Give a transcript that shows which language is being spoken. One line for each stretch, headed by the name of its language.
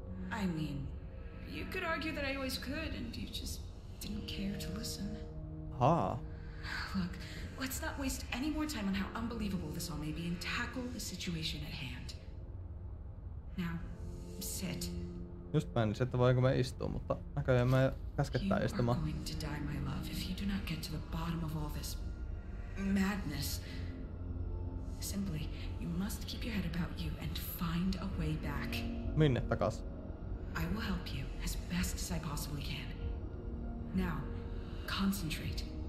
English: I mean, you could argue that I always could, and you just didn't care to listen. Ha. Look. Let's not waste any more time on how unbelievable this all may be and tackle the situation at hand. Now, sit.
Finnish: Just mainitsin, että voinko me istua, mutta näköjään me käskettää istumaan.
English: You are going to die, my love, if you do not get to the bottom of all this madness. Simply, you must keep your head about you and find a way back.
Finnish: Minne takas?
English: I will help you as best as I possibly can. Now, concentrate.